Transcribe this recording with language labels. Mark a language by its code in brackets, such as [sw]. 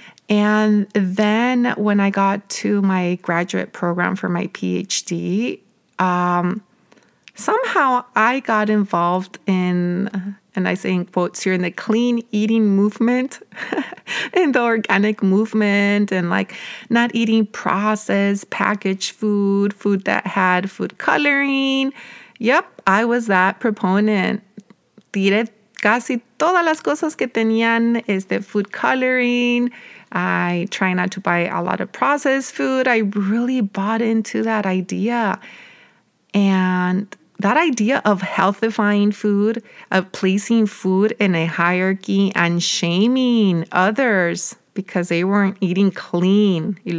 [en] And then when I got to my graduate program for my PhD, somehow I got involved in, and I say in quotes here, in the clean eating movement, in the organic movement, and like not eating processed, packaged food, food that had food coloring. Yep, I was that proponent. [es] Tiré casi todas las cosas que tenían food coloring. [en] I try not to buy a lot of processed food. I really bought into that idea. And that idea of healthifying food, of placing food in a hierarchy and shaming others because they weren't eating clean.